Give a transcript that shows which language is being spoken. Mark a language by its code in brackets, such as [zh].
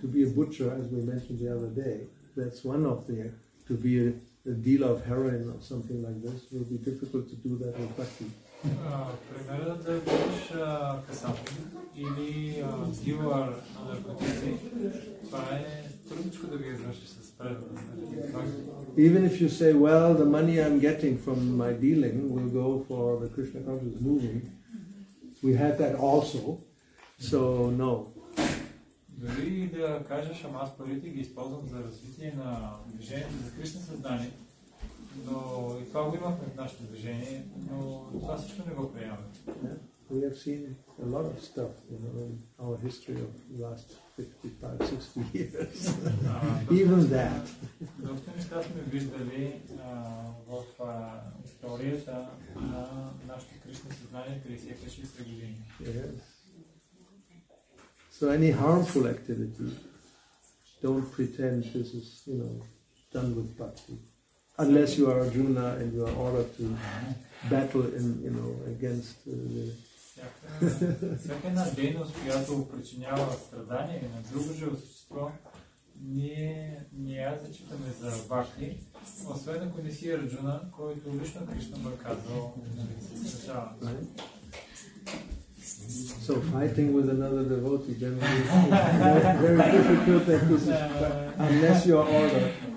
[en] To be a butcher, as we mentioned the other day, that's one of the. To be a dealer of heroin or something like this, it will be difficult to do that with bhakti. [bg] Примерът да бъдеш касатор или дилър на наркотици, това е трудничко да ги извършиш с преданост. [en] Even if you say, well, the money I'm getting from my dealing will go for the Krishna consciousness moving, we had that also, so no. [bg] Дори да кажеш, ама аз парите ги използвам за развитие на движението за Кришна съзнание, но и това го имахме в нашето движение, но това всичко не го приемаме. [en] Yeah. We have seen a lot of stuff in our history of the last 55-60 years. Even that. [bg] Доста неща сме виждали в историята на нашето кришна съзнание 50-60 години. [en] Yes. So any harmful activity, don't pretend this is, you know, done with bhakti. Unless you are Arjuna and you are ordered to battle in, you know, against the... [bg] Всяка една дейност, която причинява страдания на друго живо същество, ние не я зачитаме за бхакти, освен ако не си Арджуна, който лично Кришна му е казал, нали се страшава. [en] So fighting with another devotee generally is very difficult unless you are ordered.